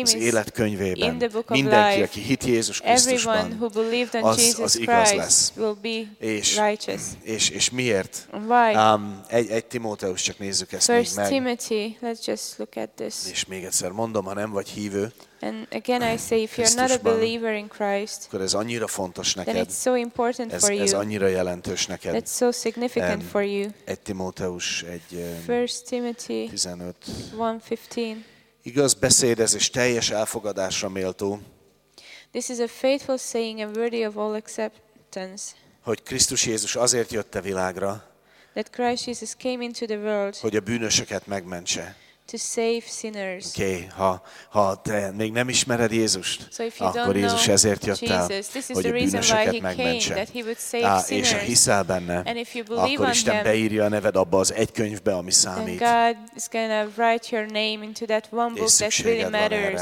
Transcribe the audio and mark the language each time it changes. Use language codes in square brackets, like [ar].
[hu] az élet könyvében, [en] in the book of [hu] mindenki, [en] life, [hu] aki hit Jézus Krisztusban, [en] who believed on [hu] az, [en] Jesus [hu] az igaz [en] Christ [hu] lesz. [en] Will be righteous. [hu] És miért? [en] Why? [hu] Egy Timóteus, csak nézzük ezt még meg. [en] Timothy, let's just look at this. [hu] És még egyszer mondom, ha nem vagy hívő, [en] and again I say, if you're not a believer in Christ, [hu] akkor ez annyira fontos neked, [en] then it's so important [hu] ez, [en] for you. [hu] Ez annyira jelentős neked. [en] That's so significant for you. [hu] Egy Timóteus, egy [en] 1 Timothy 1:15. [hu] Igaz beszéd ez, és teljes elfogadásra méltó. [en] This is a faithful saying and worthy of all acceptance. [hu] Hogy Krisztus Jézus azért jött a világra, [en] that Christ Jesus came into the world, [hu] hogy a bűnösöket megmentse. [en] To save sinners. [hu] Okay, ha te még nem ismered Jézust, [en] so if you [hu] akkor [en] don't [hu] Jézus [en] know [hu] ezért jött el, hogy a bűnösöket megmentse. És ha hiszel benne, [en] and if you [hu] akkor Isten [en] him, [hu] beírja a neved abba az egy könyvbe, ami számít. [en] God is gonna write your name into that one book that really matters,